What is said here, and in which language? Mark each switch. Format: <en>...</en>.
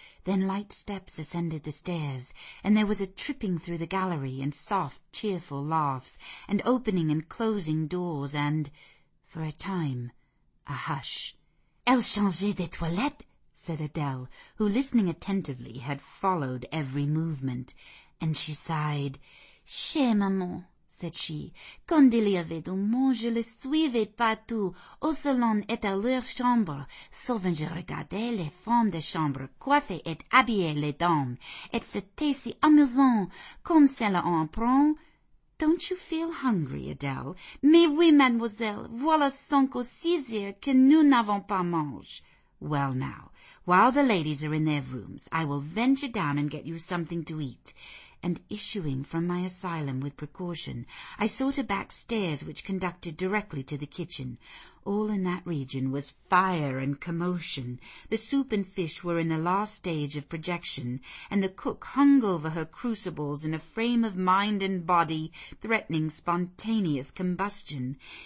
<en>Then light steps ascended the stairs, and there was a tripping through the gallery, and soft, cheerful laughs, and opening and closing doors, and, for a time, a hush.</en> <fr>"Elle changeait de toilette,"</fr> <en>said Adele, who, listening attentively, had followed every movement, and she sighed.</en> <fr>"Chère maman,"</fr> <en>said she,</en> <fr>"quand il y avait du monde, je le suivais partout, au salon et à leur chambre. Souvent je regardais les femmes de chambre coiffées et habillées les dames, et c'était si amusant, comme cela en prend.</fr> <en>Don't you feel hungry, Adele?"</en> <fr>"Mais oui, mademoiselle, voilà 5 ou 6 heures que nous n'avons pas mangé."</fr> <en>"Well, now, while the ladies are in their rooms, I will venture down and get you something to eat." And issuing from my asylum with precaution, I sought a back stairs which conducted directly to the kitchen. All in that region was fire and commotion. The soup and fish were in the last stage of projection, and the cook hung over her crucibles in a frame of mind and body threatening spontaneous combustion.</en>